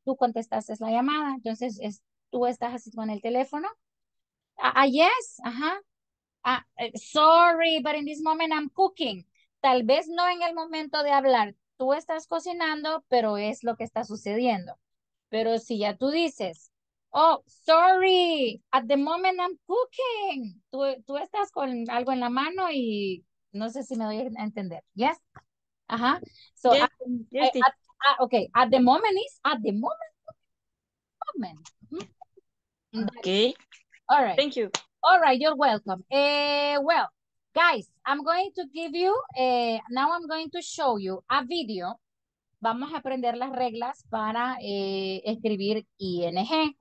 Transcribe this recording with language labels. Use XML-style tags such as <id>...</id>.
<es>Tú contestaste la llamada. Entonces, tú estás así con el teléfono. Yes, ajá.</es> <en>Sorry, but in this moment I'm cooking.</en> <es>Tal vez no en el momento de hablar. Tú estás cocinando, pero es lo que está sucediendo. Pero si ya tú dices, oh,</es> <en>sorry, at the moment I'm cooking.</en> <es>Tú estás con algo en la mano y no sé si me doy a entender.</es> <en>Yes? Ajá. So, yes. Okay, at the moment is at the moment. Moment. Okay. All right. Thank you. All right, you're welcome. Well, guys, I'm going to give you, now I'm going to show you a video.</en> <es>Vamos a aprender las reglas para escribir ING.</es>